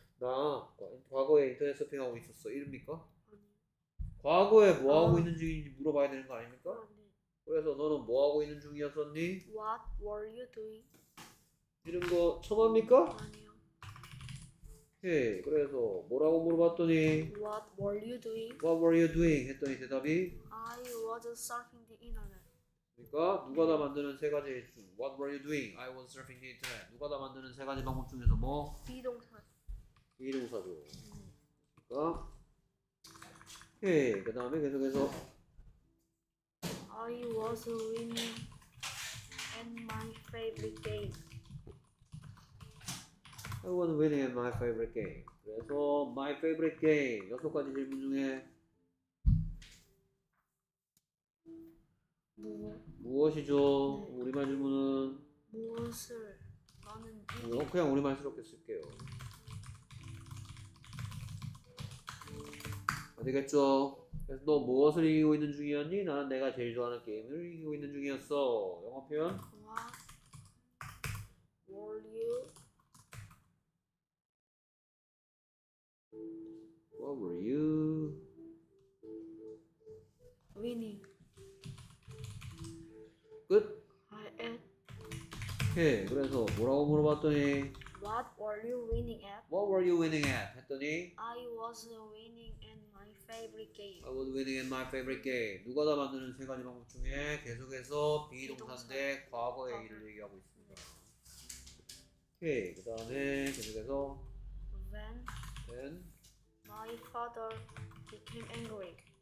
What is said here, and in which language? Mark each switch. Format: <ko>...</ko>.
<ko>나 과거에 인터넷 서핑하고 있었어. 이릅니까? 과거에 뭐 하고 있는 중인지 물어봐야 되는 거 아닙니까? 그래서 너는 뭐 하고 있는 중이었었니?</ko> <en>What were you doing?</en> <ko>이런 거 처음 합니까? 아니요. 예, 그래서 뭐라고 물어봤더니</ko> <en>What were you doing? What were you doing?</en> <ko>했더니 대답이</ko> <en>I was surfing the internet.</en> <ko>그러니까 누가 다 만드는 세 가지 중</ko> <en>What were you doing? I was surfing the internet.</en> <ko>누가 다 만드는 세 가지 방법 중에서 뭐? 비동사. 비동사죠. 그러니까 예, 그 다음에 계속해서</ko> <en>I was winning at my favorite game. I was winning at my favorite game.</en> <ko>그래서</ko> <en>my favorite game</en> <ko>여섯 가지 질문 중에 무엇이죠? 네. 우리말 질문은 무엇을 나는 뭐? 그냥 우리말스럽게 쓸게요. 아시겠죠? 그래서 너 무엇을 이기고 있는 중이었니? 나는 내가 제일 좋아하는 게임을 이기고 있는 중이었어. 영어 표현?</ko> <en>What were you? What were you? Winning.</en> <ko>끝.</ko> <en>I am.</en> <ko>오케이. 그래서 뭐라고 물어봤더니</ko> <en>What were you winning at? What were you winning at?</en> <ko>했더니</ko> <en>I was winning at my favorite game. I was winning at my favorite game.</en> <ko>누가 다 만드는 세 가지 방법 중에 계속해서 비동사. be동사인데 과거의 과거. 일을 얘기하고 있습니다. 오케이. 그다음에 계속해서</ko> <en>When then. my father became angry.</en>